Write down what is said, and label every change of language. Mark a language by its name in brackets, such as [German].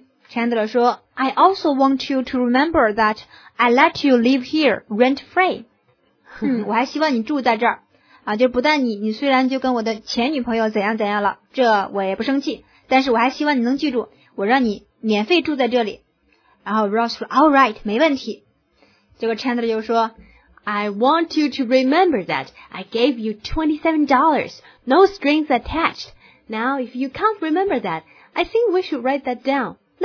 [English] Chandler [Chinese] 说 [English] I also want you to remember that I let you live here rent free。 [Chinese] 我还希望你住在这儿啊，就不但你虽然就跟我的前女朋友怎样怎样了，这我也不生气，但是我还希望你能记住我让你免费住在这里。然后 Ross 说 Alright， 没问题。结果 Chandler 就说 [English] I want you to remember that I gave you $27, no strings attached. Now, if you can't remember that, I think we should write that down.